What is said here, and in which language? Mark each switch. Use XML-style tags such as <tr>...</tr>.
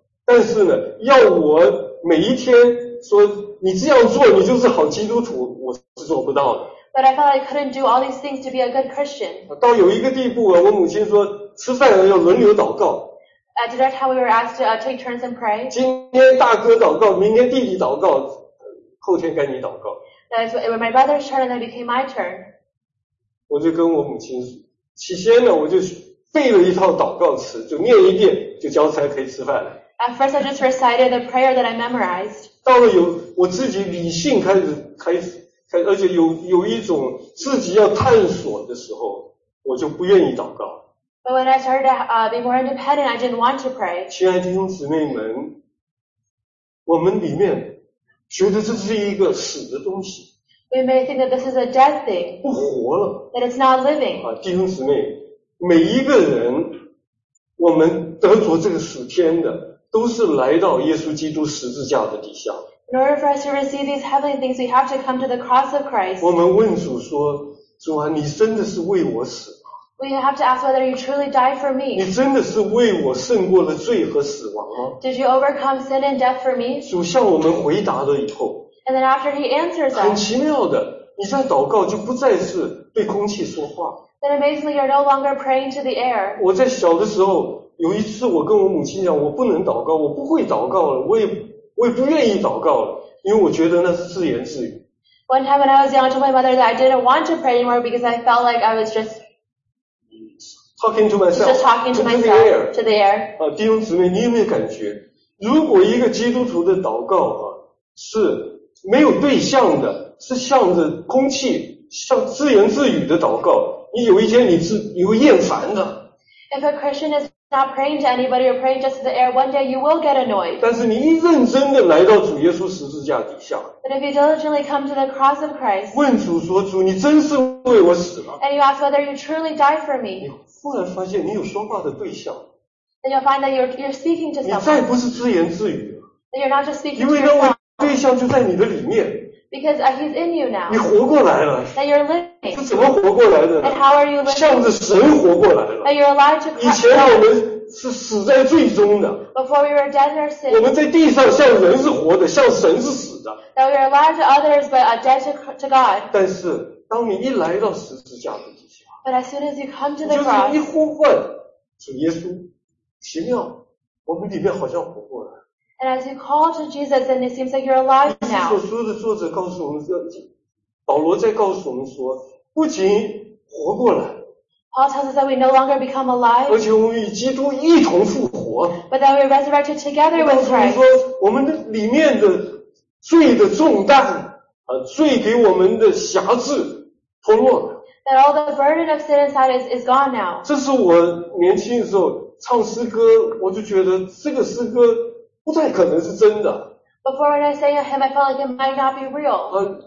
<zh>但是呢，要我每一天说你这样做，你就是好基督徒，我是做不到的。</zh> <en>But I felt I couldn't do all these things to be a good Christian.</en> <zh>到有一个地步啊，我母亲说吃饭要轮流祷告。</zh> <en>At dinner time, we were asked to take turns and pray.</en> <zh>今天大哥祷告，明天弟弟祷告。后天该你祷告。</zh> <en>And it was my brother's turn, and then it became my turn.</en> <zh>我就跟我母亲起先呢，我就背了一套祷告词，就念一遍，就交差可以吃饭了。</zh> <en>At first, I just recited the prayer that I memorized.</en> <zh>到了有我自己理性开始，而且有一种自己要探索的时候，我就不愿意祷告。</zh> <en>But when I started to be more independent, I didn't want to pray.</en> <zh>亲爱的弟兄姊妹们，我们里面觉得这是一个死的东西。</zh> <en>We may think that this is a dead thing.</en> <zh>不活了。</zh> <en>That it's not living.</en> <zh>啊，弟兄姊妹，每一个人，我们得着这个属天的，都是来到耶稣基督十字架的底下。</zh> <en>In order for us to receive these heavenly things, we have to come to the cross of Christ.</en> <zh>我们问主说，主啊，你真的是为我死吗？</zh> <en>We have to ask whether you truly died for me.</en> <zh>你真的是为我胜过了罪和死亡吗？</zh> <en>Did you overcome sin and death for me?</en> <zh>主向我们回答了以后，</zh> <en>And then after he answers us,</en> <zh>很奇妙的，你在祷告就不再是对空气说话。</zh> <en>Then amazingly, you're no longer praying to the air.</en> <zh>我在小的时候，有一次我跟我母亲讲，我不能祷告，我不会祷告了，我也不愿意祷告了，因为我觉得那是自言自语。</zh> <en>One time when I was young, I told my mother that I didn't want to pray anymore because I felt like I was just talking to myself, just talking to myself, to the air.</en> <zh>啊，弟兄姊妹，你有没有感觉，如果一个基督徒的祷告啊是没有对象的，是向着空气，像自言自语的祷告，你有一天你会厌烦的。</zh> <en>If a Christian is not praying to anybody or praying just to the air, one day you will get annoyed.</en> <zh>但是你一认真的来到主耶稣十字架底下，</zh> <en>But if you diligently come to the cross of Christ,</en> <zh>问主说，主，你真是为我死了，</zh> <en>and you ask whether you truly died for me,</en> <zh>你忽然发现你有说话的对象，</zh> <en>then you'll find that you're speaking to someone.</en> <zh>你再不是自言自语，</zh> <en>then you're not just speaking to yourself.</en> <zh>因为那位对象就在你的里面，</zh> <en>because he's in you now.</en> <zh>你活过来了，</zh> <en>that you're living.</en> <zh>是怎么活过来的呢？</zh> <en>and how are you living?</en> <zh>向着神活过来了。</zh> <en>that you're alive to Christ.</en> <zh>以前我们是死在罪中的，</zh> <en>Before we were dead in our sin,</en> <zh>我们在地上像人是活的，像神是死的。</zh> <en>That we are alive to others, but are dead to God.</en> <zh>但是当你一来到十字架的底下，</zh> <en>But as soon as you come to the cross,</en> <zh>就是一呼唤主耶稣，奇妙，我们里面好像活过来。</zh> <en>And as you call to Jesus, then it seems like you're alive now.</en> <zh>所书的作者告诉我们，保罗在告诉我们说，不仅活过来，</zh> <en>Paul tells us that we no longer become alive,</en> <zh>而且我们与基督一同复活，</zh> <en>but that we are resurrected together with Christ.</en> <zh>告诉你说，我们的里面的罪的重担，罪给我们的辖制脱落了。</zh> <en>That all the burden of sin inside is gone now.</en> <zh>这是我年轻的时候唱诗歌，我就觉得这个诗歌不太可能是真的。</zh> <en>Before when I sang a hymn, I felt like it might not be real.</en>